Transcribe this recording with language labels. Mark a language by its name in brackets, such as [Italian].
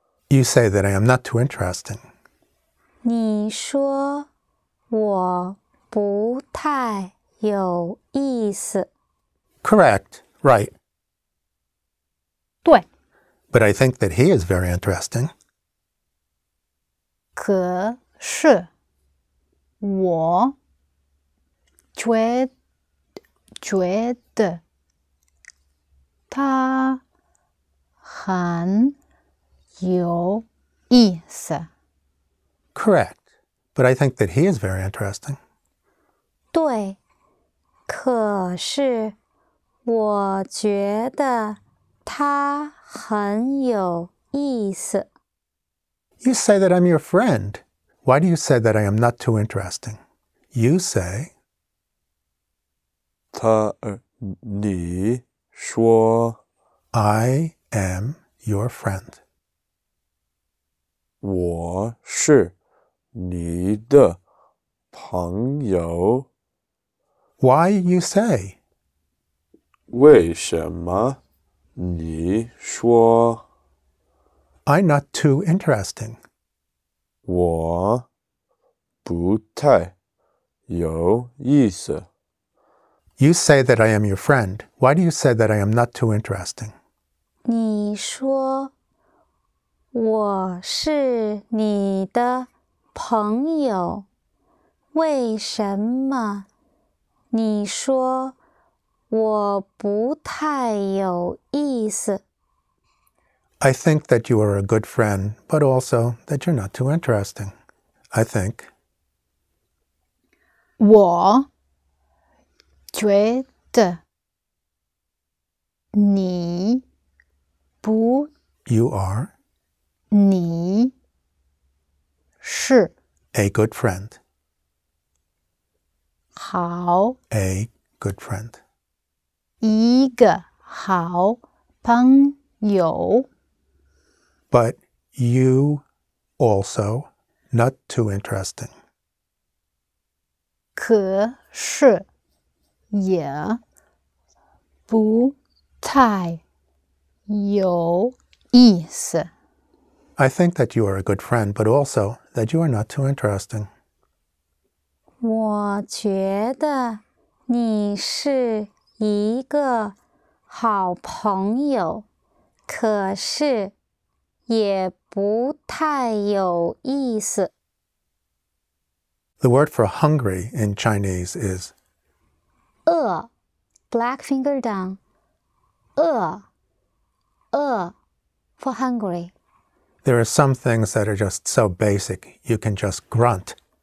[English] You say that I am not too interesting. [Chinese] 你说我不太有意思。 [English] Correct, right. [Chinese] 对。 [English] But I think that he is very interesting. [Chinese] 可是我觉得他很有意思。 [English] Correct. But I think that he is very interesting. [Chinese] 对。可是我觉得他很有意思。 [English] You say that I'm your friend. Why do you say that I am not too interesting? You say... [Chinese] 他你shuo. [English] I am your friend. [Chinese] 我是你的朋友。 [English] Why you say? [Chinese] 为什么你说? [English] I'm not too interesting. [Chinese] 我不太有意思。 [English] You say that I am your friend. Why do you say that I am not too interesting? [Chinese] 你说我是你的朋友。为什么你说我不太有意思? [English] I think that you are a good friend, but also that you're not too interesting. I think. [Chinese] 我觉得你不 [English] You are [Chinese] 你是 [English] A good friend. [Chinese] 好 [English] A good friend. [Chinese] 一个好朋友 [English] But you also not too interesting. [Chinese] 可是也不太有意思。 [English] I think that you are a good friend, but also that you are not too interesting. [Chinese] 我觉得你是一个好朋友，可是也不太有意思。 [English] The word for hungry in Chinese is 饿, black finger down, 饿, 饿, for hungry. There are some things that are just so basic, you can just grunt.